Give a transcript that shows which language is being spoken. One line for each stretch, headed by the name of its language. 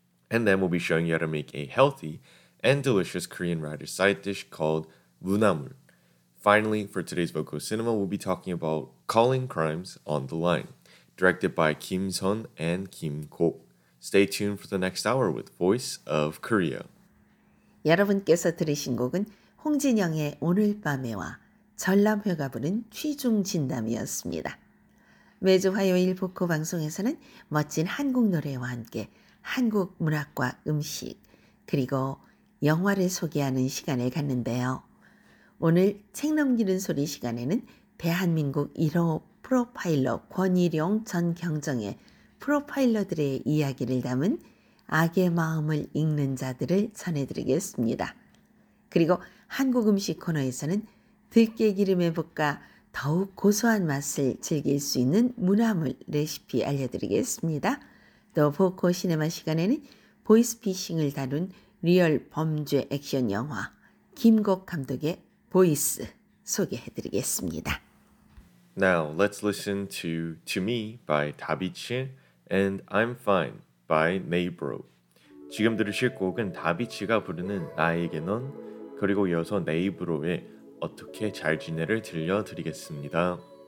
English: And then we'll be showing you how to make a healthy and delicious Korean writer's side dish called
Korean: 문화물.
English: Finally, for today's Vocal Cinema, we'll be talking about Calling Crimes on the Line, directed by Kim Sun and Kim Go. Stay tuned for the next hour with Voice of Korea.
Korean: 여러분께서 들으신 곡은 홍진영의 오늘 밤에와 전람회가 부른 취중진담이었습니다. 매주 화요일 보코 방송에서는 멋진 한국 노래와 함께 한국 문학과 음식 그리고 영화를 소개하는 시간을 갖는데요. 오늘 책 넘기는 소리 시간에는 대한민국 1호 프로파일러 권일용 전 경정의 프로파일러들의 이야기를 담은 악의 마음을 읽는 자들을 전해드리겠습니다. 그리고 한국 음식 코너에서는 들깨기름의 볶아 더욱 고소한 맛을 즐길 수 있는 문화물 레시피 알려드리겠습니다. 또 보코 시네마 시간에는 보이스피싱을 다룬 리얼 범죄 액션 영화 김곡 감독의 보이스 소개해드리겠습니다.
English: Now let's listen to Me by 다비치 and I'm Fine by 네이브로.
Korean: 지금 들으실 곡은 다비치가 부르는 나에게 넌 그리고 이어서 네이브로의 어떻게 잘 지내를 들려드리겠습니다.